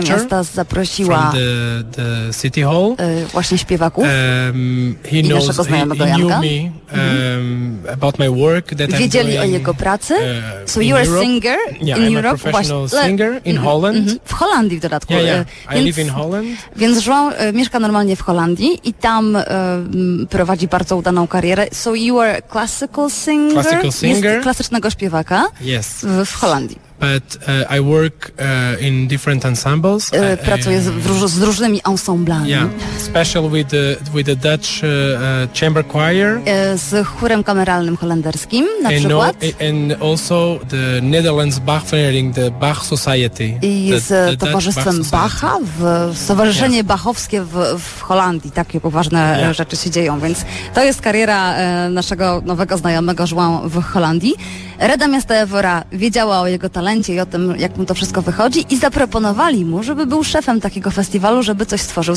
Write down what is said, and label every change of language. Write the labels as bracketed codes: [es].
[pl] Rada Miasta zaprosiła [en] from the City Hall. [pl] Właśnie śpiewaków. [en] He knows, he knew me about my work that I'm doing. [pl] Wiedzieli o jego pracy. [en] So you are a singer in Europe. Yeah, I'm a professional singer in Holland. [pl] W Holandii w dodatku. [en] Yeah. I live in Holland. [pl] Więc João mieszka normalnie w Holandii i tam prowadzi bardzo udaną karierę. [en] So you are a classical singer. Classical singer. [pl] Klasycznego śpiewaka. [en] Yes. [pl] W Holandii. [en] But I work in different ensembles. [pl] Pracuję z różnymi ensemblami. [en] Yeah, special with the Dutch chamber choir. [pl] Z chórem kameralnym holenderskim, na [en] and [pl] przykład. [en] And also the Netherlands Bach Vereniging, the Bach Society. [pl] I z towarzystwem Bacha, stowarzyszenie bachowskie w Holandii. Takie poważne rzeczy się dzieją, więc to jest kariera naszego nowego znajomego João w Holandii. Rada Miasta Évora wiedziała o jego talencie i o tym, jak mu to wszystko wychodzi, i zaproponowali mu, żeby był szefem takiego festiwalu, żeby coś stworzył.